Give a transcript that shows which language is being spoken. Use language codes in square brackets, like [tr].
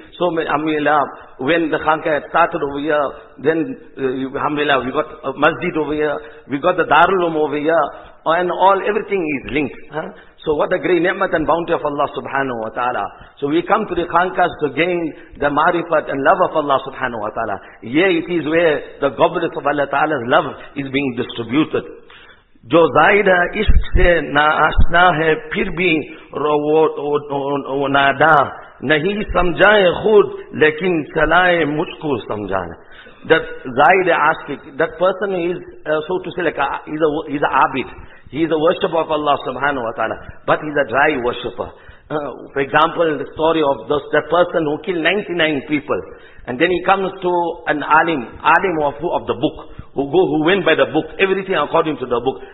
[en] So alhamdulillah, when the Khankai started over here, then alhamdulillah, we got a masjid over here, we got the Darulum over here, and all, everything is linked. Huh? So what a great ni'mat and bounty of Allah subhanahu wa ta'ala. So we come to the Khankas to gain the marifat and love of Allah subhanahu wa ta'ala. Here it is where the goblet of Allah ta'ala's love is being distributed. [ur] جو زائدہ عشق سے ناآشنا ہے پھر بھی وہ نادا نہیں سمجھائے خود لیکن چلائے مجھ کو سمجھانا. [en] That [ur] زائدہ عشق, [en] that person is so to say like he's an abid, he is a worshipper of Allah subhanahu wa ta'ala, but he's a dry worshipper. For example, the story of that person who killed 99 people, and then he comes to an alim of the book, who went by the book, everything according to the book.